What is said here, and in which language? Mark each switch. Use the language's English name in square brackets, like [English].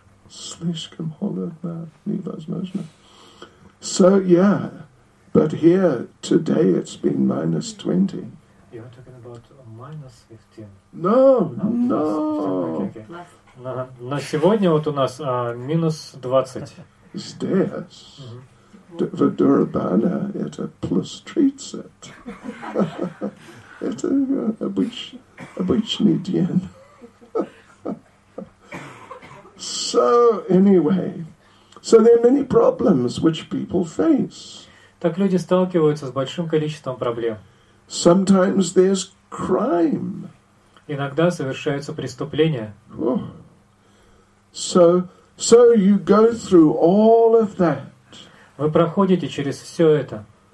[Russian] Слишком холодно, невозможно. [English] So yeah, but here today it's been minus 20. You're talking about minus 15. No, no. [Russian] На сегодня вот у нас минус 20. Stairs. В Дурбане это плюс 30. Это обычный день. [English] So, anyway. So, there are many problems which people face. [Russian] Так люди сталкиваются с большим количеством проблем. [English] Sometimes there's crime. [Russian] Иногда совершаются преступления. [English] So, you go through all of that. [Russian] Вы проходите через все это.